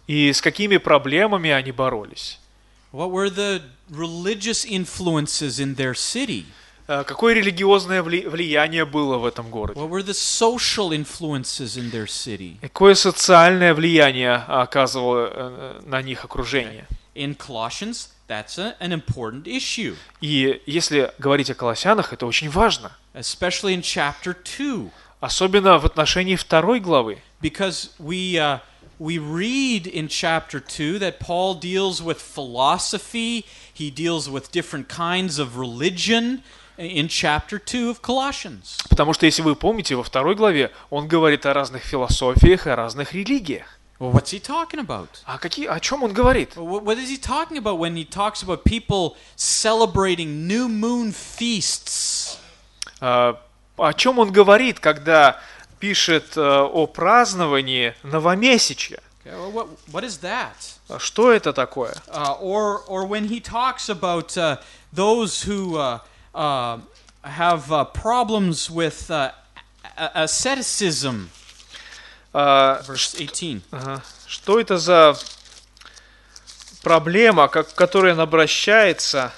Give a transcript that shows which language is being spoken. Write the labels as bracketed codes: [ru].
[ru] И с какими проблемами они боролись? [en] What were the religious influences in their city? [ru] Какое религиозное влияние было в этом городе? [en] What were the social influences in their city? [ru] Какое социальное влияние оказывало на них окружение? [en] In Colossians, that's an important issue. [ru] И если говорить о Колоссянах, это очень важно. [en] Especially in chapter 2. [ru] Особенно в отношении второй главы. [en] Because we read in chapter 2 that Paul deals with philosophy, he deals with different kinds of religion in chapter 2 of Colossians. [ru] Потому что если вы помните, во второй главе он говорит о разных философиях и разных религиях. [en] Well, what's he talking about? [ru] О чем он говорит? [en] What is he talking about when he talks about people celebrating new moon feasts? [ru] О чем он говорит, когда пишет о праздновании новомесячья? [en] Okay, well, what is that? [ru] Что это такое? [en] Or when he talks about those who have problems with asceticism. [ru] Что это за проблема, к которой он обращается?